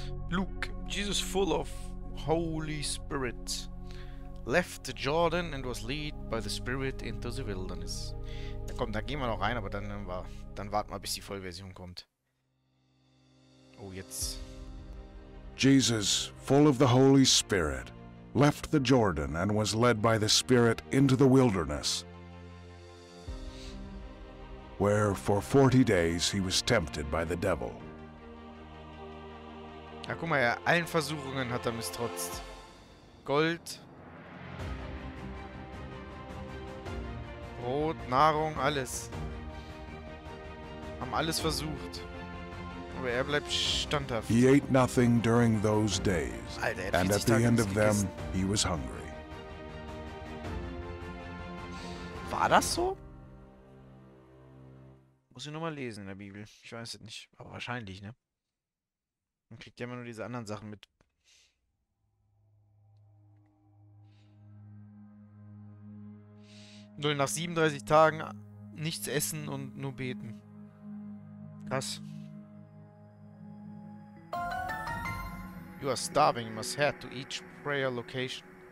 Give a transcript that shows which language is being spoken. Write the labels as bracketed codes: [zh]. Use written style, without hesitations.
[en] Luke, Jesus, full of Holy Spirit, left Jordan and was led by the Spirit into the wilderness. [de] Ja, komm, da gehen wir noch rein, aber dann warten wir, bis die Vollversion kommt. Oh, jetzt. [en] Jesus, full of the Holy Spirit, left the Jordan and was led by the Spirit into the wilderness, where for 40 days he was tempted by the devil. [de] Ja, guck mal, ja, allen Versuchungen hat er misstrotzt. Gold. Brot, Nahrung, alles. Haben alles versucht. Aber er bleibt standhaft. [en] He ate nothing during those days. [de] Alter, [en] and at the end of them, he was hungry. [de] War das so? Muss ich nochmal lesen in der Bibel. Ich weiß es nicht. Aber wahrscheinlich, ne? Man kriegt ja immer nur diese anderen Sachen mit. Nur nach 37 Tagen nichts essen und nur beten. Krass. [en] You are starving, you must head to each prayer location.